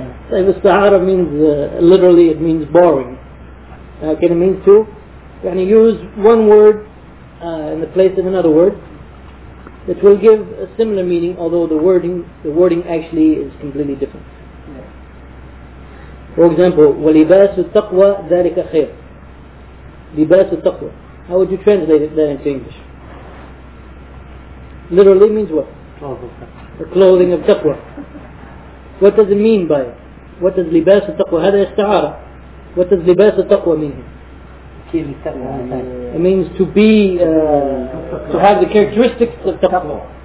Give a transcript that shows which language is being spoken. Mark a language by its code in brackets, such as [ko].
[en] طيب استعارة means literally it means borrowing. Can it mean to? يعني use one word in the place of another word that will give a similar meaning although the wording actually is completely different. For example, [ar] ولباس التقوى ذلك خير. لباس التقوى. [en] How would you translate that into English? Literally means what? The clothing of taqwa. What does it mean by it? What does [ar] لباس التقوى هذا استعارة. [en] What does [ar] لباس التقوى [en] mean? It means to be to have the characteristics of التقوى.